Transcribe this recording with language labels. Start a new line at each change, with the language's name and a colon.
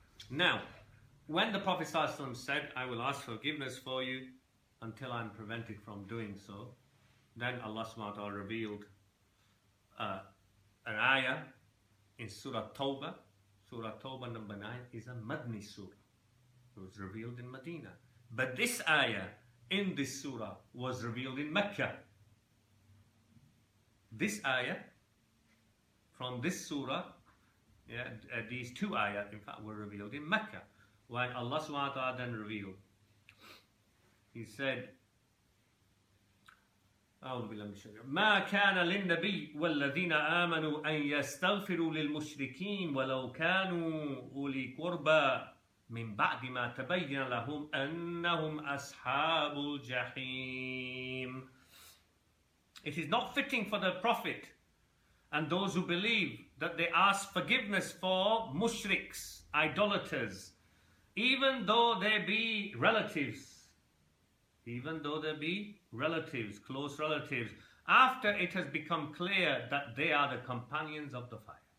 English: Now, when the Prophet ﷺ said, I will ask forgiveness for you until I'm prevented from doing so, then Allah subhanahu wa ta'ala revealed an ayah in Surah Tawbah number 9 is a Madni surah. It was revealed in Medina. But this ayah in this surah was revealed in Mecca. This ayah from this surah, yeah, these two ayah in fact were revealed in Mecca. When Allah subhanahu wa ta'ala then revealed, he said,
Arabic: ما كان للنبي والذين آمنوا أن يستغفروا للمشركين ولو كانوا أولي قربى من بعد ما تبين لهم أنهم أصحاب الجحيم.
English: It is not fitting for the Prophet and those who believe that they ask forgiveness for mushriks, idolaters, even though they be relatives, even though they be relatives, close relatives, after it has become clear that they are the companions of the fire.